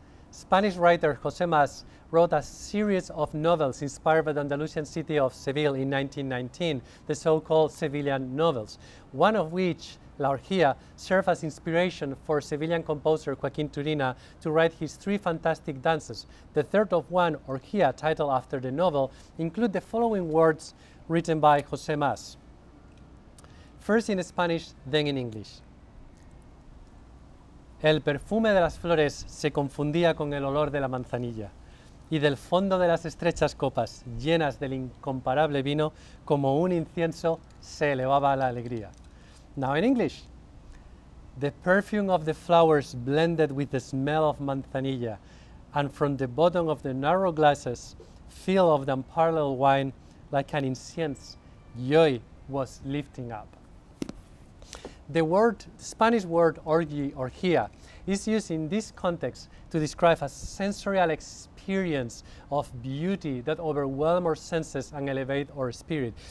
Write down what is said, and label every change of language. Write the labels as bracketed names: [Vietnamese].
[English] Spanish writer José Mas wrote a series of novels inspired by the Andalusian city of Seville in 1919, the so-called Sevillian novels, one of which, La Orgía, served as inspiration for Sevillian composer Joaquín Turina to write his three fantastic dances. The third of one, Orgía, titled after the novel, include the following words written by José Mas. First in Spanish, then in English. [Spanish] El perfume de las flores se confundía con el olor de la manzanilla, y del fondo de las estrechas copas, llenas del incomparable vino, como un incienso, se elevaba la alegría. [English] Now in English. The perfume of the flowers blended with the smell of manzanilla, and from the bottom of the narrow glasses, filled of the unparalleled wine, like an incense, joy was lifting up. The word, Spanish word orgy, orgía, is used in this context to describe a sensorial experience of beauty that overwhelms our senses and elevates our spirit.